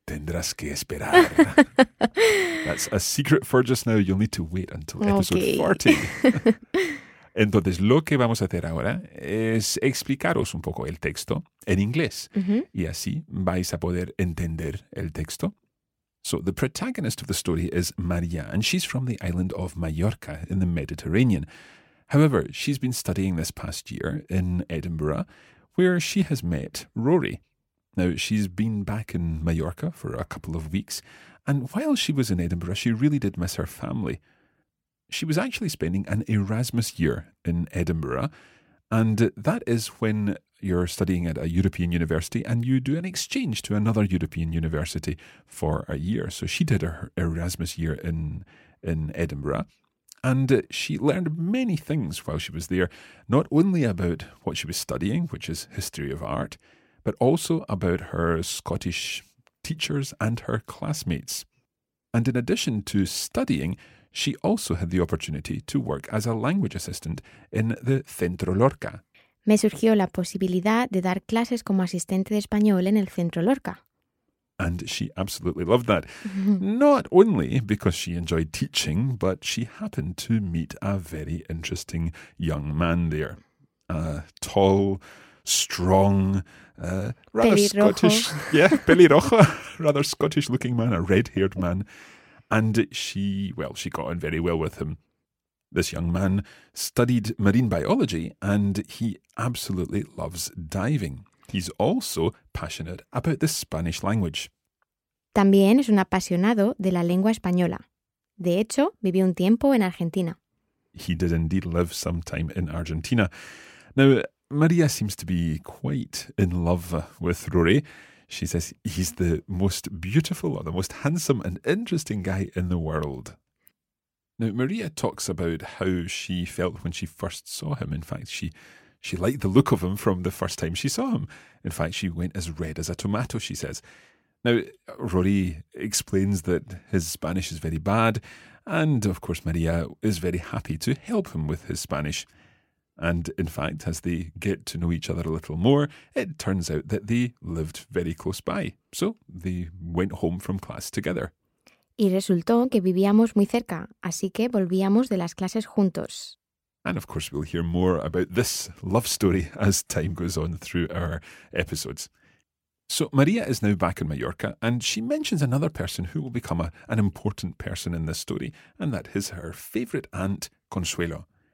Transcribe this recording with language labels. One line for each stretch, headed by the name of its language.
Spanish: Tendrás que esperar.
English: That's a secret for just now. You'll need to wait until episode 40.
Spanish: Entonces, lo que vamos a hacer ahora es explicaros un poco el texto en inglés. Uh-huh. Y así vais a poder entender el texto.
English: So, the protagonist of the story is María, and she's from the island of Mallorca in the Mediterranean. However, she's been studying this past year in Edinburgh, where she has met Rory. Now, she's been back in Mallorca for a couple of weeks, and while she was in Edinburgh, she really did miss her family. She was actually spending an Erasmus year in Edinburgh, and that is when you're studying at a European university and you do an exchange to another European university for a year. So she did her Erasmus year in Edinburgh. And she learned many things while she was there, not only about what she was studying, which is history of art, but also about her Scottish teachers and her classmates. And in addition to studying, she also had the opportunity to work as a language assistant in the Centro Lorca.
Spanish: Me surgió la posibilidad de dar clases como asistente de español en el Centro Lorca.
English: And she absolutely loved that. Not only because she enjoyed teaching, but she happened to meet a very interesting young man there. A tall, strong, rather
Spanish: pelirrojo.
English: Scottish. Yeah, pelirrojo. Rather Scottish looking man, a red-haired man. And she got on very well with him. This young man studied marine biology and he absolutely loves diving. He's also passionate about the Spanish language.
Spanish: También es un apasionado de la lengua española. De hecho, vivió un tiempo en Argentina.
English: He did indeed live some time in Argentina. Now, María seems to be quite in love with Rory. She says he's the most beautiful or the most handsome and interesting guy in the world. Now, María talks about how she felt when she first saw him. In fact, she liked the look of him from the first time she saw him. In fact, she went as red as a tomato, she says. Now, Rory explains that his Spanish is very bad. And, of course, María is very happy to help him with his Spanish. And, in fact, as they get to know each other a little more, it turns out that they lived very close by. So they went home from class together.
Spanish: Y resultó que vivíamos muy cerca, así que volvíamos de las clases juntos.
English: And of course we'll hear more about this love story as time goes on through our episodes. So María is now back in Mallorca and she mentions another person who will become an important person in this story, and that is her favourite aunt, Consuelo.